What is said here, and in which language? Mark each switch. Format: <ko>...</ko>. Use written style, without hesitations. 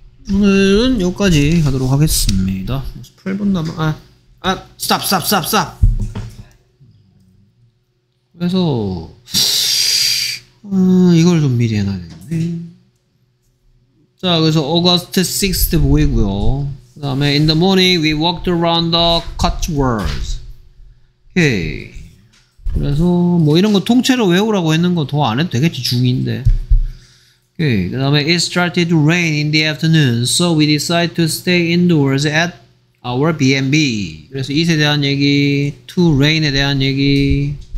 <ko>오늘은 여기까지 하도록 하겠습니다. 8분 남아, 스탑. 그래서, 이걸 좀 미리 해놔야겠네. 자, 그래서</ko> <en>August 6th</en> <ko>보이고요. 그 다음에,</ko> <en>in the morning, we walked around the cotswolds.</en> <ko>오케이. 그래서 뭐 이런 거 통째로 외우라고 했는 거 더 안 해도 되겠지 중인데.</ko> <en>오케이. 그다음에 it started to rain in the afternoon, so we decided to stay indoors at our B&B.</en> <ko>그래서 it에 대한 얘기,</ko> <en>to rain에 대한 얘기,</en>